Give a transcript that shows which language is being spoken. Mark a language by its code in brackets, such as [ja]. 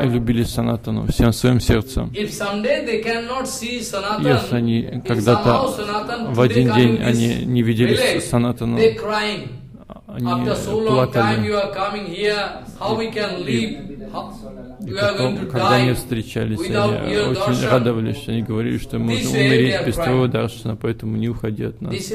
[ru] Они любили Санатану всем своим сердцем. [en] If someday they cannot see Sanatana, [ru] если они когда-то в один день они не видели Санатану, [en] they crying. [ru] Они плакали. [en] After so long time you are coming here, how we can live? [ru] И потом, когда они встречались, они очень радовались, они говорили, что мы можем умереть без твоего даршана, поэтому не уходи от нас.